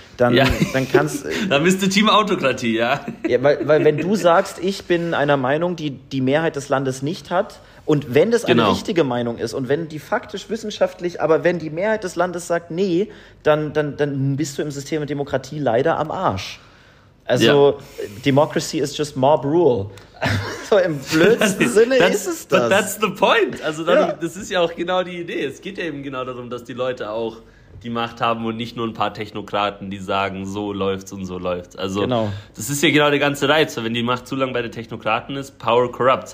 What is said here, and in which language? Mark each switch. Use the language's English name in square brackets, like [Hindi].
[German] Dann bist du Team Autokratie, ja. Ja, weil wenn du sagst, ich bin einer Meinung, die die Mehrheit des Landes nicht hat, und wenn das eine richtige Meinung ist und wenn die faktisch wissenschaftlich, aber wenn die Mehrheit des Landes sagt, nee, dann bist du im System der Demokratie leider am Arsch. [English] Also Democracy is just mob rule. [German] So im blödsten Sinne ist es das. [English] But that's the point. [German] Also dann, das ist ja auch genau die Idee. Es geht ja eben genau darum, dass die Leute auch die Macht haben und nicht nur ein paar Technokraten, die sagen, so läuft's und so läuft's. Also das ist ja genau der ganze Reiz. Wenn die Macht zu lang bei den Technokraten ist, [English] power corrupts.